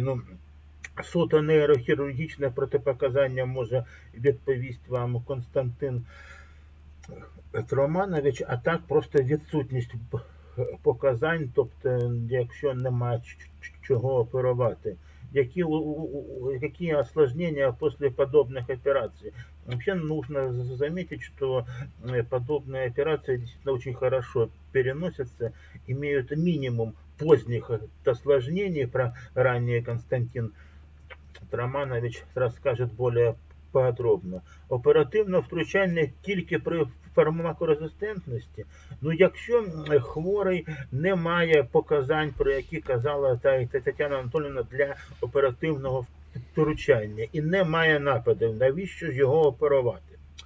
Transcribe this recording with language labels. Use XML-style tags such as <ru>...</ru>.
<uk>Ну, суто нейрохірургічне протипоказання може відповісти вам Константин Романович, а так просто відсутність показань, тобто якщо нема чого оперувати. Які осложнення після подобних операцій?</uk> <ru>Вообще нужно заметить, что подобные операции действительно очень хорошо переносятся, имеют минимум поздних осложнений, про ранее Константин Романович расскажет более подробно.</ru> <uk>Оперативне втручання тільки при фармакорезистентності. Ну, якщо хворий не має показань, про які казала Тетяна Анатоліївна, для оперативного втручання і не має нападів, навіщо ж його оперувати?</uk>